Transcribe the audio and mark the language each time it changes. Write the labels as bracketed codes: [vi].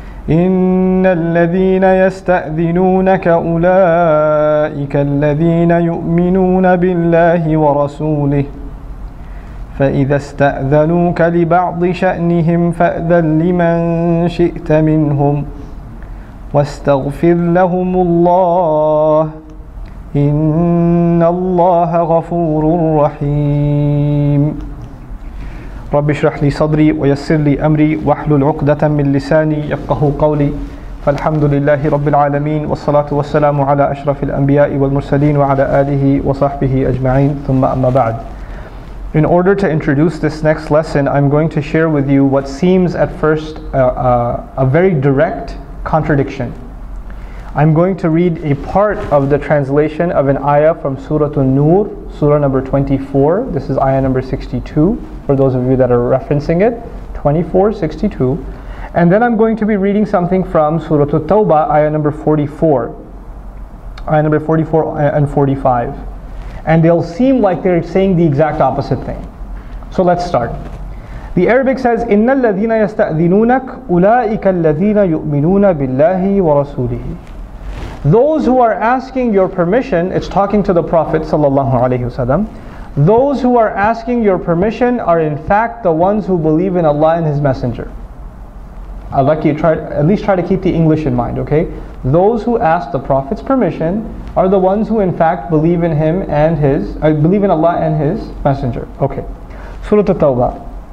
[ar] إن الذين يستأذنونك أولئك الذين يؤمنون بالله ورسوله فإذا استأذنوك لبعض شأنهم فأذن لمن شئت منهم واستغفر لهم الله إن الله غفور رحيم. رب اشرح لي صدري ويسر لي أمري واحلل عقدة من لساني يفقه قولي. فالحمد لله رب العالمين والصلاة والسلام على أشرف الأنبياء والمرسلين وعلى آله وصحبه أجمعين ثم أما بعد. [en] In order to introduce this next lesson, I'm going to share with you what seems at first a very direct contradiction. I'm going to read a part of the translation of an ayah from Surah An-Nur, Surah number 24. This is ayah number 62, for those of you that are referencing it, 24, 62. And then I'm going to be reading something from Surah At-Tawbah, ayah number 44, ayah number 44 and 45. And they'll seem like they're saying the exact opposite thing. So let's start. The Arabic says, [ar] إِنَّ الَّذِينَ يَسْتَأْذِنُونَكَ أُولَٰئِكَ الَّذِينَ يُؤْمِنُونَ بِاللَّهِ وَرَسُولِهِ. [en] Those who are asking your permission, it's talking to the Prophet sallallahu alaihi wasallam. Those who are asking your permission are in fact the ones who believe in Allah and His Messenger. I'd like you to at least try to keep the English in mind, okay? Those who ask the Prophet's permission are the ones who in fact believe in him and his believe in Allah and his messenger. Okay. Surah At-Tawbah.